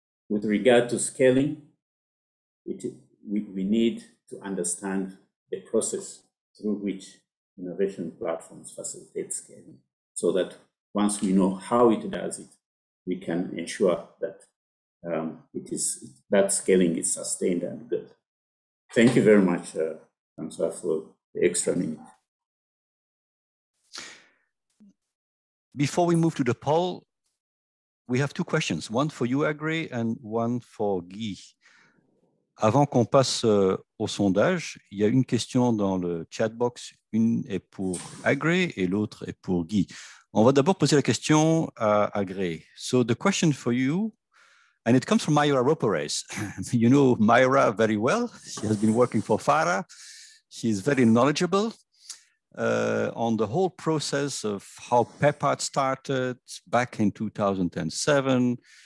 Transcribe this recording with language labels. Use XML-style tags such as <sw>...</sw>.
<en>With regard to scaling, we need to understand the process through which innovation platforms facilitate scaling, so that once we know how it does it, we can ensure that that scaling is sustained and good. Thank you very much, François, for the extra minute. Before we move to the poll, we have two questions, one for you, Agri, and one for Guy.</en> <fr>Avant qu'on passe au sondage, il y a une question dans le chat box. Une est pour Agri et l'autre est pour Guy. On va d'abord poser la question à Agri.</fr> <en>So the question for you, and it comes from Myra Roperez. You know Myra very well. She has been working for FARA. She is very knowledgeable on the whole process of how PEPART started back in 2007.</en>